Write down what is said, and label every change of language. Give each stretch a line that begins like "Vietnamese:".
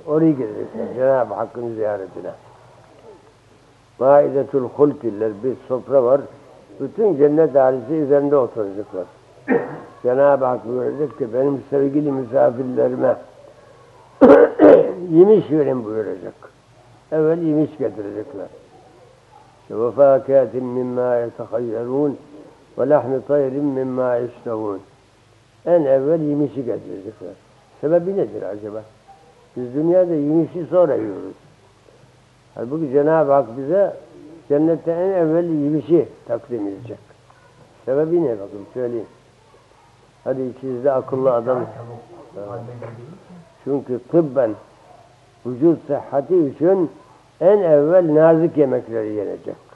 Turkish: Oraya gidecekler Cenab-ı Hakk'ın ziyaretine. Maidetul Hulkiller bir sofra var. Bütün cennet ahalisi üzerinde oturacaklar. Cenab-ı Hak buyuracak ki benim sevgili misafirlerime yemiş verin buyuracak. Evvel yemiş getirecekler.
Arabic: وَفَاكَاتٍ مِمَّا يَتَخَيَّرُونَ وَلَحْنِ طَيْرٍ مِمَّا يَشْتَهُونَ
Turkish: En evvel yemişi getirecekler. Sebebi nedir acaba? Biz dünyada yemişi sonra yiyoruz. Halbuki Cenab-ı Hak bize cennette en evvel yemişi takdim edecek. Sebebi ne bakın söyleyeyim. Hadi içinizde akıllı adam. Çünkü tıbben vücut sıhhati için en evvel nazik yemekleri yenecek.